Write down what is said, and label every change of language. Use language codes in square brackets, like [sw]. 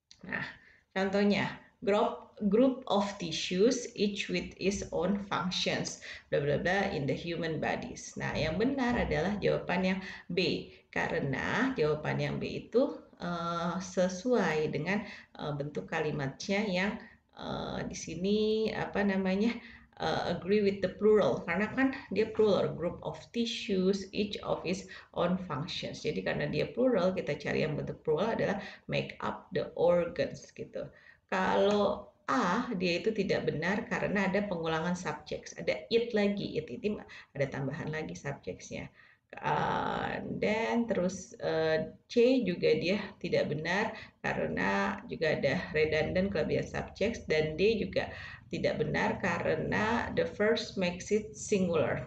[id] Nah, contohnya [en] group of tissues each with its own functions bla bla bla in the human bodies. [id] Nah, yang benar adalah jawaban yang B karena jawaban yang B itu sesuai dengan bentuk kalimatnya yang di sini apa namanya? [en] Agree with the plural [id] karena kan dia plural, [en] group of tissues each of its own functions. [id] Jadi karena dia plural, kita cari yang bentuk plural adalah [en] make up the organs [id] gitu. Kalau A dia itu tidak benar karena ada pengulangan subjek, ada it lagi, it ada tambahan lagi subjeknya. Dan terus C juga dia tidak benar karena juga ada redundant kelebihan subjek, dan D juga tidak benar karena [en] the first makes it singular.